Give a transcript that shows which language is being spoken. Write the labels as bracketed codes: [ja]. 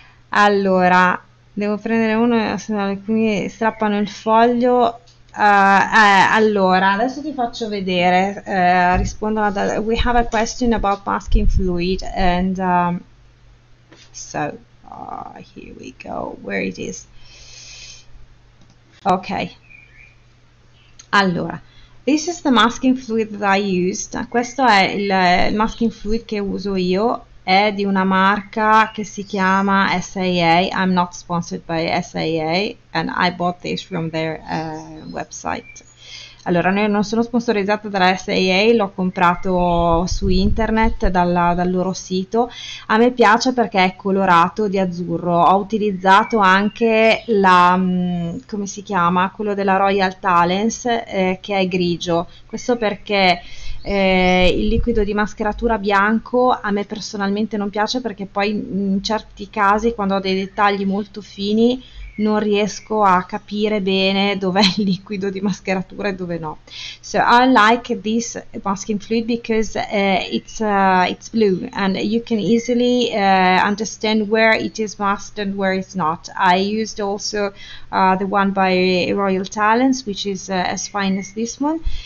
[it] Allora, devo prendere uno, se alcuni strappano il foglio. Allora, adesso ti faccio vedere. Rispondo ad. [en] We have a question about masking fluid and here we go. Where it is? Ok. [it] Allora, [en] this is the masking fluid that I used. [it] Questo è il masking fluid che uso io. È di una marca che si chiama SAA. [en] I'm not sponsored by SAA and I bought this from their website. [it] Allora, io non sono sponsorizzata dalla SAA, l'ho comprato su internet dal loro sito. A me piace perché è colorato di azzurro. Ho utilizzato anche come si chiama? Quello della Royal Talents, che è grigio. Questo perché il liquido di mascheratura bianco a me personalmente non piace perché poi in certi casi, quando ho dei dettagli molto fini, non riesco a capire bene dov'è il liquido di mascheratura e dove no. [en] So I like this masking fluid because it's blue and you can easily understand where it is masked and where it's not. I used also the one by Royal Talents, which is as fine as this one.